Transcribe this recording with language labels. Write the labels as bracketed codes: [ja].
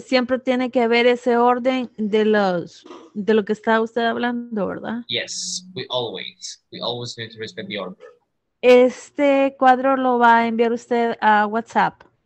[es] Siempre tiene que haber ese orden de los de lo que está usted hablando, ¿verdad? [en] Yes, we always need to respect the order. [es] Este cuadro lo va a enviar usted a WhatsApp.